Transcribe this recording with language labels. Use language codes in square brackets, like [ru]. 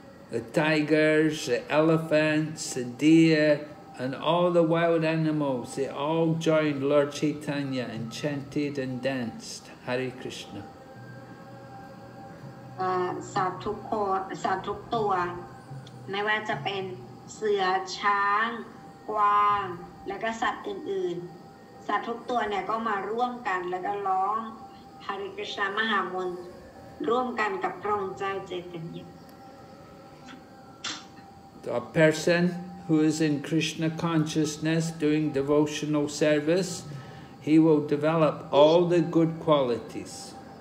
[en] The tigers, the elephants, the deer, and all the wild animals, they all joined Lord Chaitanya and chanted and danced Hare Krishna. [th] สัตว์ทุกคนสัตว์ทุกตัวไม่ว่าจะเป็นเสือช้างกวางและก็สัตว์อื่นๆสัตว์ทุกตัวเนี่ยก็มาร่วมกันแล้วก็ร้องฮาริกชามหามนต์ร่วมกันกับพระองค์เจ้าเจตนิย [en] A person who is in Krishna consciousness doing devotional service, he will develop all the good qualities.